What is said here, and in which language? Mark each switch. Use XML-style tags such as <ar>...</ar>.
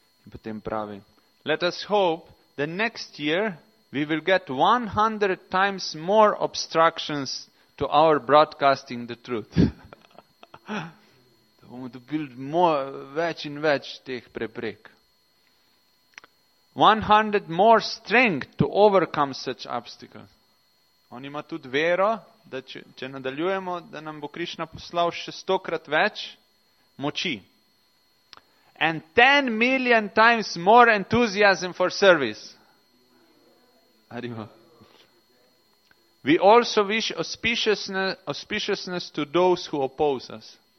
<sl>Potem pravi,</sl> <en>let us hope that next year we will get 100 times more obstructions to our broadcasting the truth.</en> <sl>Da bomo dobili več in več teh preprek.</sl> <en>100 more strength to overcome such obstacles.</en> <sl>On ima tudi vero, da če nadaljujemo, da nam bo Krišna poslal še 100-krat več moči.</sl> <en>And 10 million times more enthusiasm for service. Arima. We also wish auspiciousness to those who oppose us.</en>